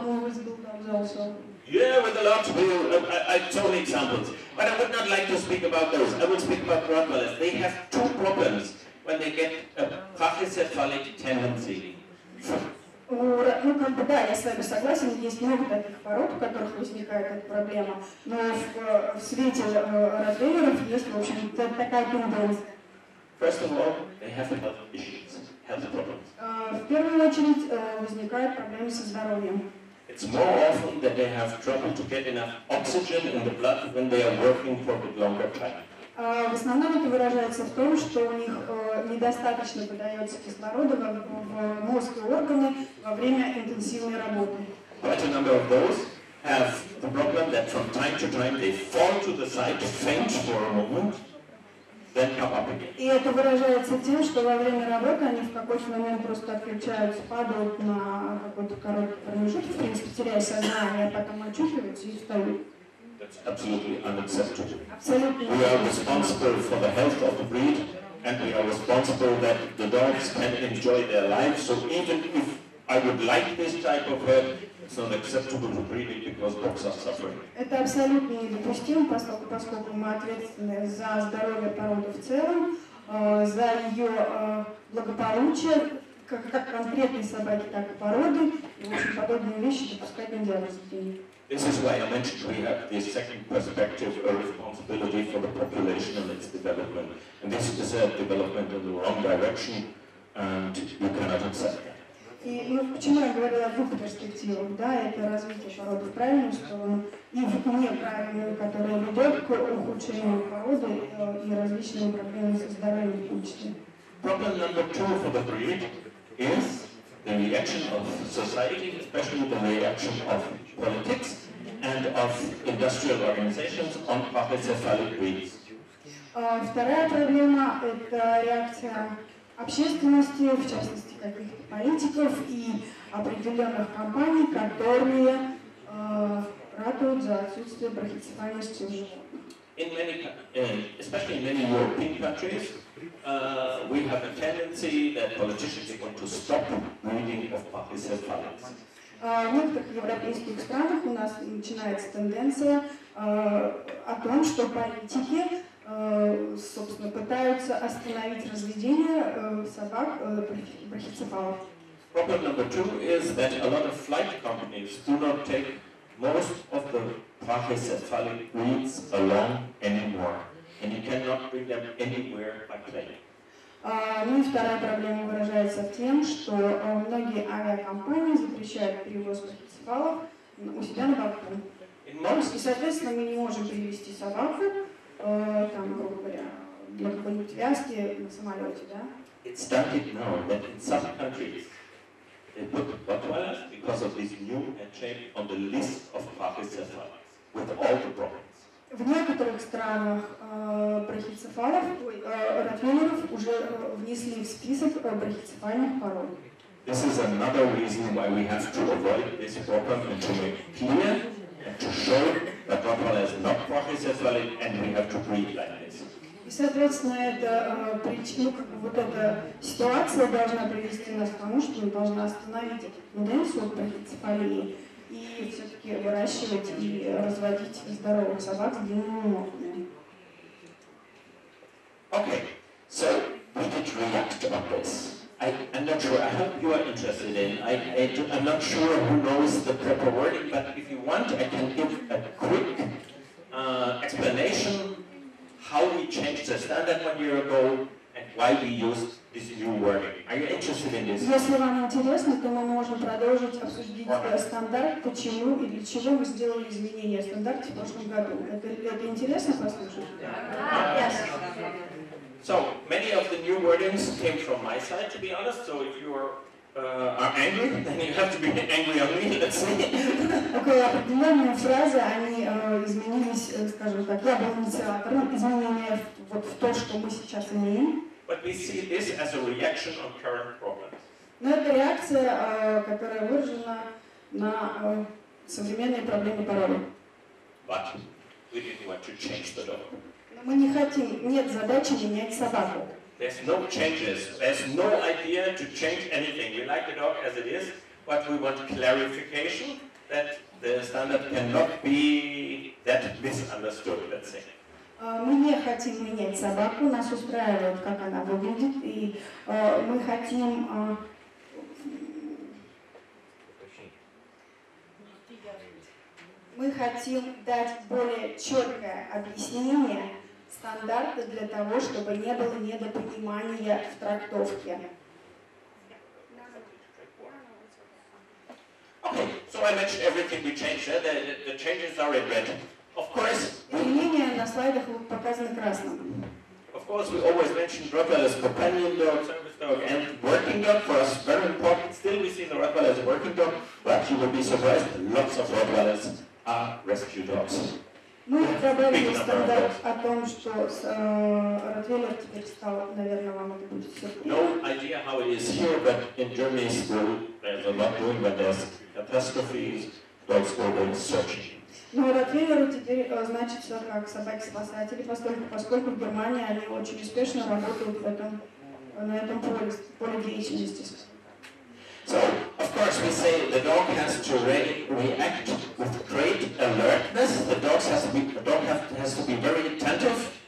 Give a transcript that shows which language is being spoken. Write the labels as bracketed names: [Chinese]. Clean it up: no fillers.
[English] We have this problem with bulldogs also. Yeah, with a lot of people, I told examples. But I would not like to speak about those. I would speak about Rottweilers. They have two problems when they get a brachycephalic tendency. [Russian] Ну, как бы, да, я с вами согласен, есть много таких пород, у которых возникает эта проблема. Но в свете ротвейлеров есть, в общем, такая тенденция. [English] First of all, they have health issues, health problems. [Russian] В первую очередь возникают проблемы со здоровьем. [English] It's more often that they have trouble to get enough oxygen in the blood when they are working for a bit longer time. [Russian] В основном это выражается в том, что у них недостаточно подается кислорода в мозг и органы во время интенсивной работы. [English] Quite a number of those have the problem that from time to time they fall to the side, faint for a moment. [Russian] И это выражается тем, что во время работы они в какой-то момент просто отключаются, падают на какой-то короткий промежуток, в принципе, теряя сознание, а потом очухиваются и встают. [English] Absolutely unacceptable. Absolutely. We are responsible for the health of the breed, and we are responsible that the dogs can enjoy their lives. So even if I would like this type of herd, it's not acceptable to breed it because dogs are suffering. [Russian] Это абсолютно недопустимо, поскольку мы ответственны за здоровье породы в целом, за ее благополучие, как конкретной собаки, так и породы. В общем, подобные вещи допускать нельзя в растении. [English] This is why I mentioned we have this second perspective of responsibility for the population and its development. And this is a development in the wrong direction, and you cannot accept that. [Russian] И ну, почему я говорила о двух перспективах, да, это развитие породы в правильную сторону и в неправильную, которая ведет к ухудшению породы и различным проблемам со здоровьем в обществе. [English] Problem number two for the breed is the reaction of society, especially the reaction of politics and of industrial organizations on brachycephalic breeds. [Russian] Вторая проблема – это реакция общественности, в частности, каких-то политиков и определенных компаний, которые ратуют за отсутствие брахицефальности у животных. [English] In many, especially in many European countries, we have a tendency that politicians want to stop breeding of brachycephalics. [Russian] В некоторых европейских странах у нас начинается тенденция о том, что политики собственно, пытаются остановить разведение собак брахицефалов. [English] Problem number two is that a lot of flight companies do not take most of the brachycephalic breeds along anymore, and you cannot bring them anywhere by plane. [Russian] Ну и вторая проблема выражается в том, что многие авиакомпании запрещают перевоз брахицефалов у себя на борту. И, соответственно, мы не можем привезти собаку, там, грубо говоря, для какой-нибудь вязки на самолете, да? [English] It started now that in some countries they put the Rottweilers because of this new entry on the list of brachycephalics with all the problems. [Russian] В некоторых странах брахицефалов, ротвейлеров уже внесли в список брахицефальных пород. [English] This is another reason why we have to avoid this problem and to make clear and to show that properly as not for his sexuality, and we have to breed like this. [Russian] И, соответственно, это причина, как вот эта ситуация должна привести нас к тому, что мы должны остановить тенденцию к профицефалии и все-таки выращивать и разводить здоровых собак с длинными ногами. [English] Okay, so we did react about this. I'm not sure, I hope you are interested in it. I'm not sure who knows the proper wording, but if you want, I can give a quick explanation how we changed the standard 1 year ago and why we used this new wording. Are you interested in this? [Russian] Если вам интересно, то мы можем продолжить обсуждать стандарт, почему и для чего мы сделали изменения в стандарте в прошлом году. Это интересно послушать? [English] Yes. So many of the new wordings came from my side, to be honest. So if you are angry, then you have to be angry on me. Let's see. [Russian] Okay, определенные фразы они изменились, скажем так. Я был инициатором изменения вот в то, что мы сейчас имеем. [English] But we see this as a reaction on current problems. [Russian] Но это реакция, которая выражена на современные проблемы породы. [English] But we didn't want to change the dog. [Russian] Мы не хотим, нет задачи менять собаку. [English] There's no changes. There's no idea to change anything. We like the dog as it is, but we want clarification that the standard cannot be that misunderstood, let's say. [Russian] Мы не хотим менять собаку, нас устраивает, как она выглядит, и мы хотим... Мы хотим дать более четкое объяснение стандарты для того, чтобы не было недопонимания в трактовке. [English] Okay, so I mentioned everything we changed. Yeah? The changes are in red. Of course. [Russian] Изменения на слайдах показаны красным. [English] Of course, we always mention ROTWEILER's companion dog, service dog, and working dog. For us, very important. Still, we see the ROTWEILER as a working dog, but you will be surprised. Lots of ROTWEILERs are rescue dogs. [Russian] Мы добавили стандарт о том, что ротвейлер теперь стал, наверное, вам это будет сюрприз. [English] No idea how it is here, but in Germany still there's a lot going, but there's catastrophes, dogs go going searching. [Russian] Но ротвейлеру теперь значит все как собаки-спасатели, поскольку в Германии они очень успешно работают в этом, на этом поле деятельности. [English] So, of course, we say the dog has to react with great alertness. The dog has to be, the dog has to be very attentive.